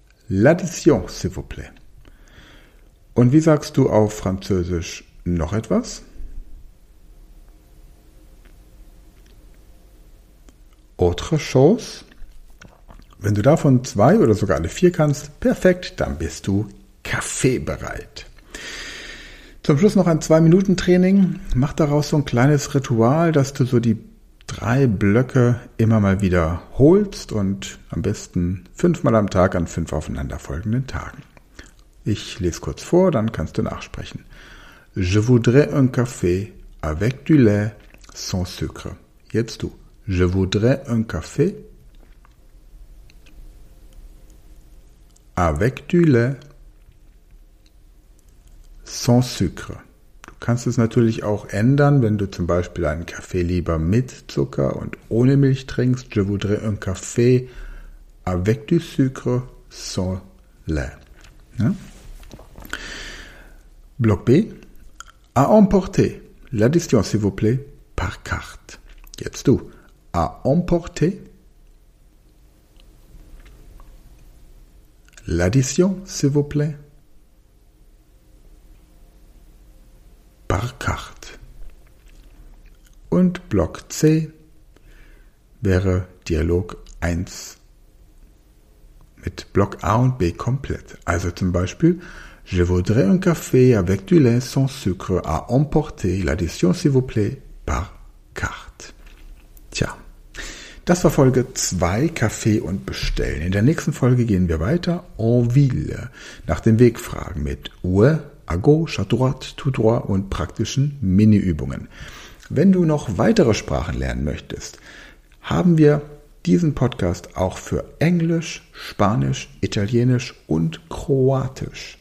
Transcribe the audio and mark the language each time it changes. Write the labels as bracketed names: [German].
[French] L'addition, s'il vous plaît. [German] Und wie sagst du auf Französisch noch etwas? [French] Autre chose? [German] Wenn du davon zwei oder sogar alle vier kannst, perfekt, dann bist du kaffeebereit. Zum Schluss noch ein 2-Minuten-Training. Mach daraus so ein kleines Ritual, dass du so die 3 Blöcke immer mal wiederholst und am besten 5-mal am Tag an 5 aufeinanderfolgenden Tagen. Ich lese kurz vor, dann kannst du nachsprechen. [French] Je voudrais un café avec du lait sans sucre. [German] Jetzt du. [French] Je voudrais un café avec du lait sans sucre. [German] Du kannst es natürlich auch ändern, wenn du zum Beispiel einen Kaffee lieber mit Zucker und ohne Milch trinkst. [French] Je voudrais un café avec du sucre sans lait. Ja? Block B. À emporter. L'addition, s'il vous plaît, par carte. [German] Jetzt du. [French] À emporter. L'addition, s'il vous plaît, Barkacht. [German] Und Block C wäre Dialog 1 mit Block A und B komplett. Also zum Beispiel, [French] je voudrais un café avec du lait sans sucre à emporter, l'addition s'il vous plaît, par carte. [German] Tja, das war Folge 2, Kaffee und bestellen. In der nächsten Folge gehen wir weiter en ville, nach dem Weg fragen mit Où, [French] à gauche, à droite, tout droit [German] und praktischen Mini-Übungen. Wenn du noch weitere Sprachen lernen möchtest, haben wir diesen Podcast auch für Englisch, Spanisch, Italienisch und Kroatisch.